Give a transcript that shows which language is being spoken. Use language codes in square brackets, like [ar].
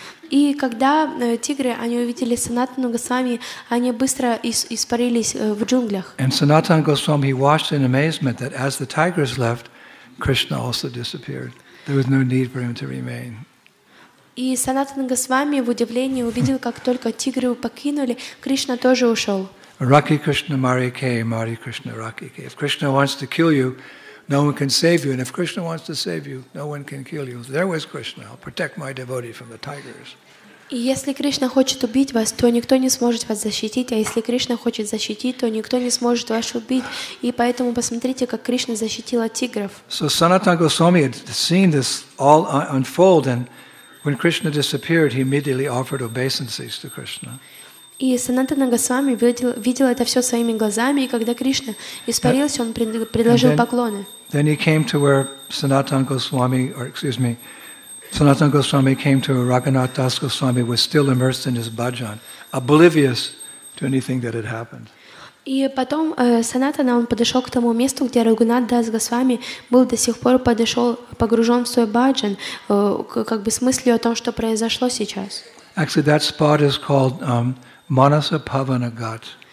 [ru] И когда тигры, они увидели Санатану Госвами, они быстро испарились в джунглях. [en] And Sanatan Goswami watched in amazement that as the tigers left, Krishna also disappeared. There was no need for him to remain. [ru] И Санатана Госвами в удивлении увидел, как только тигры покинули, Кришна тоже ушел. Раки Кришна Мари Кей, Мари Кришна Раки Кей. [en] If Krishna wants to kill you, no one can save you. And if Krishna wants to save you, no one can kill you. There was Krishna. I'll protect my devotee from the tigers. [ru] И если Кришна хочет убить вас, то никто не сможет вас защитить. А если Кришна хочет защитить, то никто не сможет вас убить. И поэтому посмотрите, как Кришна защитил от тигров. [en] So Sanatana Goswami had seen this all unfold and when Krishna disappeared, he immediately offered obeisances to Krishna. [ru] И Санатана Госвами видел это все своими глазами, и когда Кришна испарился, он предложил поклоны. [en] Then he came to where Sanatana Goswami came to where Raghunath Das Goswami was still immersed in his bhajan, oblivious to anything that had happened. [ru] И потом Санатана он подошел к тому месту, где Рагунат Дас Госвами был до сих пор погружен в свой бхаджан, как бы с мыслью о том, что произошло сейчас. [en] Actually, that spot is called Manasa Pavana Ghat.